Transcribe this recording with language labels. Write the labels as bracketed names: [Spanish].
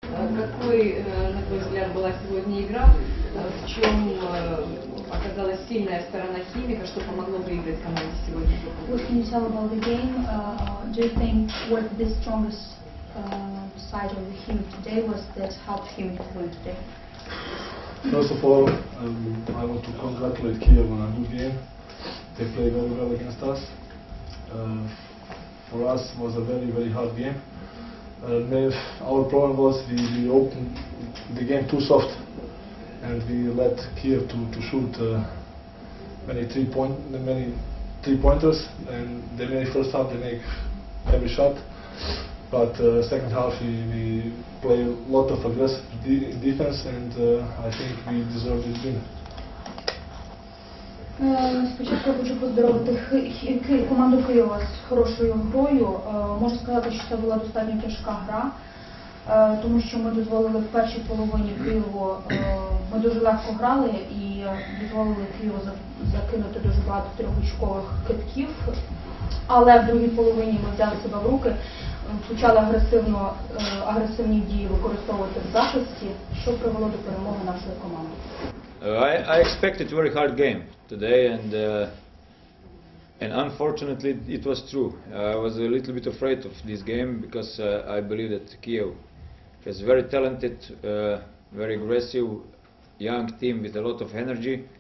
[Russian] какой, на твой взгляд, была сегодня игра, в чем оказалась сильная сторона Химика, что помогло выиграть команде сегодня? [English] What can you tell about the game? Do you think what the strongest side of the Химик today was that helped Химик to win today? First of all, I want to congratulate Kiev on a good game. They played very well against us. For us, it was a very, very hard game. Our problem was we opened the game too soft, and we let Kiev to shoot many three pointers. And they made first half, they make every shot. But second half, we play a lot of aggressive defense, and I think we deserve this win. [Ukrainian] Спочатку я хочу поздоровити команду Києва з хорошою грою. Можу сказати, що це була достатньо тяжка гра, тому що ми дозволили в першій половині Києву, ми дуже легко грали і дозволили Києву закинути дуже багато трьохочкових китків. Але в другій половині ми взяли себе в руки, почали агресивні дії використовувати в захисті, що привело до перемоги нашої команди. [English] I expected a very hard game today, and unfortunately it was true. I was a little bit afraid of this game because I believe that Kiev has very talented, very aggressive young team with a lot of energy.